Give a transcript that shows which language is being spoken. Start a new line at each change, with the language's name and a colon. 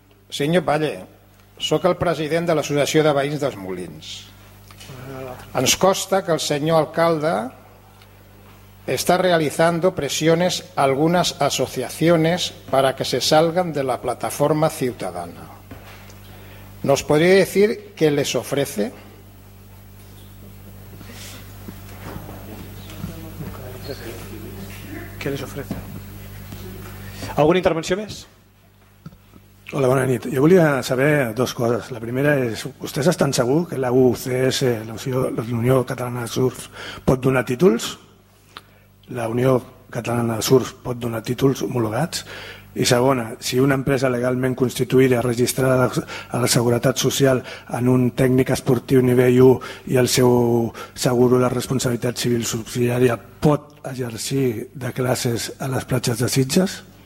Catalan: Senyor Valle, sóc el president de l'Associació de Veïns dels Molins.
Spanish: Ens consta que el senyor alcalde está realizando presiones a algunas asociaciones para que se salgan de la plataforma ciudadana. ¿Nos podría decir qué les ofrece? ¿Qué les ofrece? ¿Alguna intervención más? Hola, buena nit. Yo quería saber dos cosas. La primera es, ¿ustedes están seguros que la UCS, la Unión Catalana de Surf, puede donar títulos? La Unió
Catalan: Catalana de Surf pot donar títols homologats? I segona, si una empresa legalment constituïda, registrada a la Seguretat Social en un tècnic esportiu nivell 1 i el seu seguro de responsabilitat civil subsidiària pot exercir de classes a les platges de Sitges?